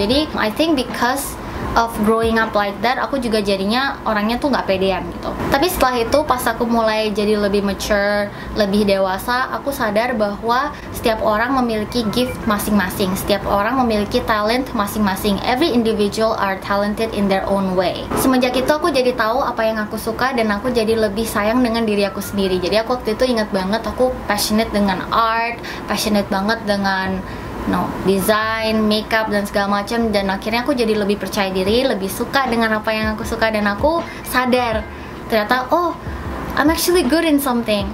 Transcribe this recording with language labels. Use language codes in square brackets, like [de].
[id] Jadi [en] I think because of growing up like that, [id] aku juga jadinya orangnya tuh gak pedean gitu. Tapi setelah itu, pas aku mulai jadi lebih mature, lebih dewasa, aku sadar bahwa setiap orang memiliki gift masing-masing, setiap orang memiliki talent masing-masing. [en] Every individual are talented in their own way. [id] Semenjak itu aku jadi tahu apa yang aku suka dan aku jadi lebih sayang dengan diri aku sendiri. Jadi aku waktu itu ingat banget, aku passionate dengan art, passionate banget dengan design, makeup dan segala macam. Dan akhirnya aku jadi lebih percaya diri, lebih suka dengan apa yang aku suka, dan aku sadar ternyata oh, [en] I'm actually good in something.